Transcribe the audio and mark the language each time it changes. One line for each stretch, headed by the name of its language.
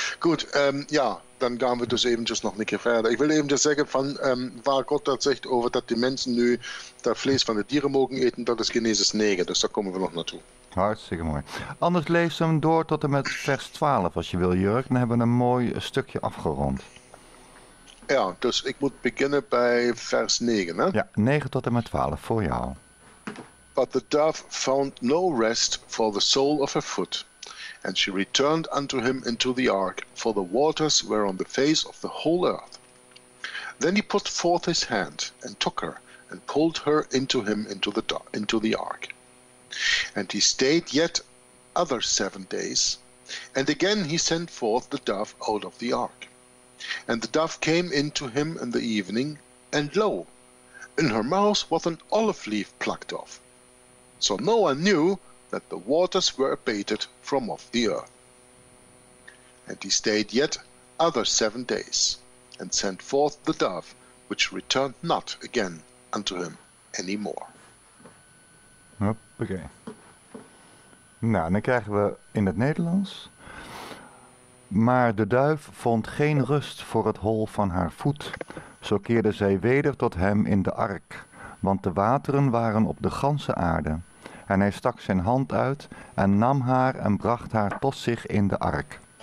Dutch: Goed, dan gaan we dus eventjes nog een keer verder. Ik wil eventjes zeggen, waar God dat zegt over dat die mensen nu dat vlees van de dieren mogen eten, dat is Genesis 9. Dus daar komen we nog naartoe. Hartstikke mooi. Anders lees hem door tot en met vers 12 als je wil, Jurk. Dan hebben we een mooi stukje afgerond. Ja, dus ik moet beginnen bij vers 9, hè? Ja, 9 tot en met 12, voor jou.
English: But the dove found no rest for the sole of her foot, and she returned unto him into the ark, for the waters were on the face of the whole earth. Then he put forth his hand, and took her, and pulled her into him into the ark. And he stayed yet other 7 days, and again he sent forth the dove out of the ark. And the dove came in to him in the evening, and lo, in her mouth was an olive leaf plucked off. So Noah knew that the waters were abated from off the earth. And he stayed yet other 7 days, and sent forth the dove, which returned not again unto him any more.
Dutch: Hoppakee. Nou, dan krijgen we in het Nederlands... Maar de duif vond geen rust voor het hol van haar voet. Zo keerde zij weder tot hem in de ark, want de wateren waren op de ganse aarde. En hij stak zijn hand uit en nam haar en bracht haar tot zich in de ark.